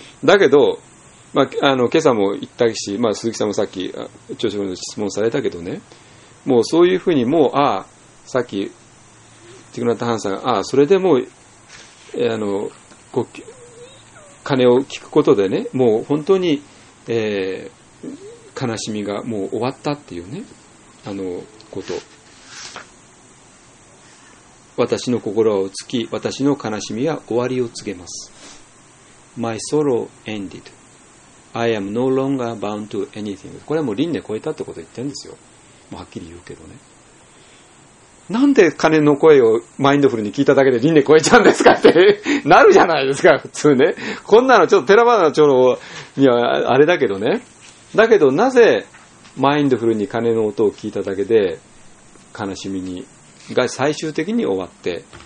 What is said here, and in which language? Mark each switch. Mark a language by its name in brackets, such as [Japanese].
[Japanese] だけどまああの今朝も言ったし、まあ鈴木さんもさっき聴取の質問されたけどね、もうそういうふうにもうああさっきティクナタハンさんが あそれでもう、あの鐘を聞くことでね、もう本当に、悲しみがもう終わったっていうね、あのこと、私の心は落ち着き、私の悲しみは終わりを告げます。 [English] My sorrow ended. I am no longer bound to anything. [Japanese] これはもう輪廻超えたってこと言ってるんですよ。もうはっきり言うけどね、なんで鐘の声をマインドフルに聞いただけで輪廻超えちゃうんですかってなるじゃないですか、普通ね。こんなのちょっと寺花長老にはあれだけどね。だけどなぜマインドフルに鐘の音を聞いただけで悲しみが最終的に終わって、